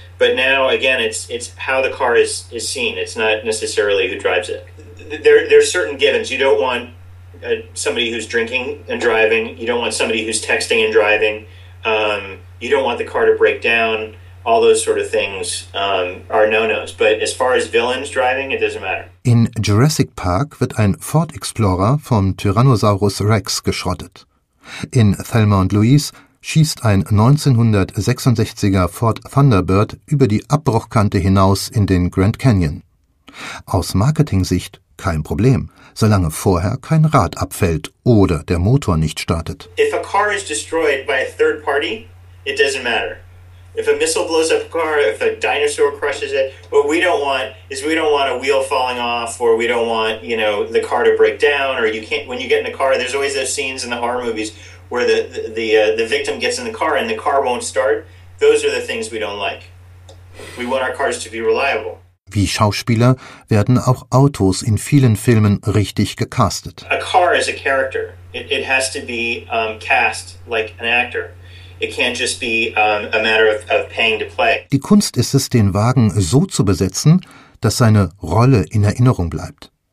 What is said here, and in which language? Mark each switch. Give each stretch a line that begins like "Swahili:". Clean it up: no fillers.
English: But now, again, it's how the car is seen. It's not necessarily who drives it. There's certain givens. You don't want somebody who's drinking and driving. You don't want somebody who's texting and driving. You don't want the car to break down. All those sort of things are no-nos. But as far as villains driving, it doesn't matter.
German: In Jurassic Park wird ein Ford Explorer vom Tyrannosaurus Rex geschrottet. In Thelma und Louise schießt ein 1966er Ford Thunderbird über die Abbruchkante hinaus in den Grand Canyon. Aus Marketing-Sicht kein Problem, solange vorher kein Rad abfällt oder der Motor nicht startet.
English: If a car is destroyed by a third party, it doesn't matter. If a missile blows up a car, if a dinosaur crushes it, what we don't want is we don't want a wheel falling off, or we don't want, you know, the car to break down, or you can't, when you get in the car, there's always those scenes in the horror movies where the victim gets in the car and the car won't start. Those are the things we don't like. We want our cars to be reliable.
German: Wie Schauspieler werden auch Autos in vielen Filmen richtig gecastet.
English: A car is a character. It has to be cast like an actor. It can't just be a matter of paying to play.
German: Die Kunst ist es, den Wagen so zu besetzen, dass seine Rolle in Erinnerung bleibt.